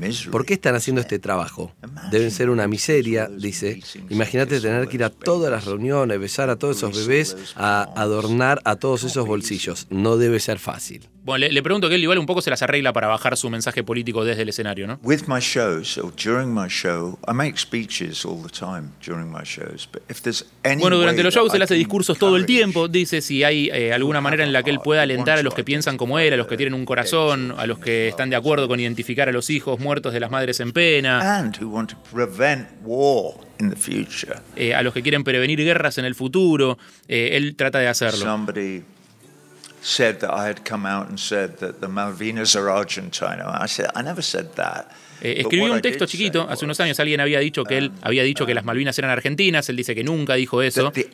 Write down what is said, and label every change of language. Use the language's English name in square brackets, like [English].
[Spanish] ¿Por qué están haciendo este trabajo? Deben ser una miseria, dice. Imagínate tener que ir a todas las reuniones, besar a todos esos bebés, a adornar a todos esos bolsillos. No debe ser fácil. Bueno, le pregunto que él igual un poco se las arregla para bajar su mensaje político desde el escenario, ¿no? [English] With my shows or during my show, I make speeches all the time during my shows. But if there's any [Spanish] bueno, durante los shows él hace discursos todo el tiempo, dice, si hay alguna manera en la que él pueda alentar a los que piensan como él, a los que tienen un corazón, a los que están de acuerdo con identificar a los hijos muertos de las madres en pena. [English] And who want to prevent war in the future. [Spanish] A los que quieren prevenir guerras en el futuro, él trata de hacerlo. [English] Somebody said that I had come out and said that the Malvinas are Argentina. I said, I never said that. [Spanish] Escribió un texto chiquito, hace unos años alguien había dicho que él había dicho que las Malvinas eran argentinas, él dice que nunca dijo eso.